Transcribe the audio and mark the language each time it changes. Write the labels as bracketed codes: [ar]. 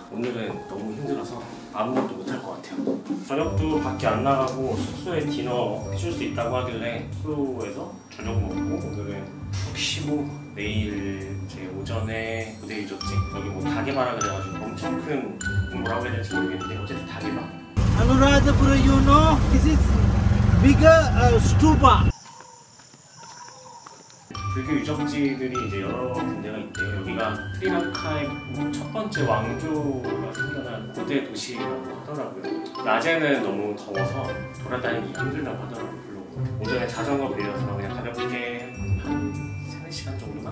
[ko] 오늘은 너무 힘들어서 아무것도 못할 것 같아요. 저녁도 밖에 안 나가고 숙소에 디너 해줄 수 있다고 하길래 숙소에서 저녁 먹고 오늘은 푹 쉬고 내일 이제 오전에 무대 유적지 여기 뭐 다게바라 그래가지고 엄청 큰 뭐라고 해야 될지 모르겠는데 어쨌든 다게바. [en] Anuradhapura, you know, this is bigger stupa. [ko] 불교 유적지들이 이제 여러 군데가 있대요. 여기가 스리랑카의 첫 번째 왕조가 생겨난 고대 도시라고 하더라고요. 낮에는 너무 더워서 돌아다니기 힘들다고 하더라고요. 별로. 오전에 자전거 빌려서 그냥 가볍게 한 3, 4시간 정도만.